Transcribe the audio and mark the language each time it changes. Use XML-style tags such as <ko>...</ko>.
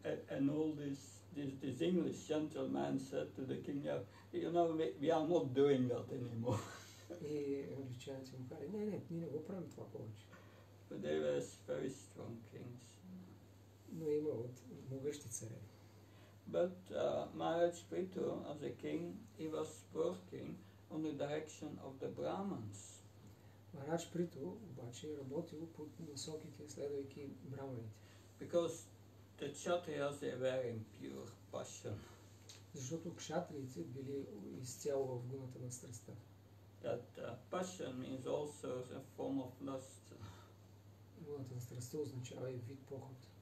<en>And all this English gentleman said to the king, you know, we are not doing that anymore.</en> <bg>И англичаните му казали, не, ние не го правим това повече.</bg> <en>But they were very strong kings.</en> <bg>Но има от могъщи царе.</bg> <en>But Maharaj Prithu, as a king, he was working on the direction of the Brahmins.</en> <bg>Maharaj Prithu обаче е работил по насоките, следвайки брахманите.</bg> <en>Because the Kshatriyas were in pure passion.</en> <bg>Защото кшатриите били изцяло в гуната на страстта.</bg> <en>That passion means also a form of lust.</en> <bg>Гуната на страстта означава и вид поход.</bg>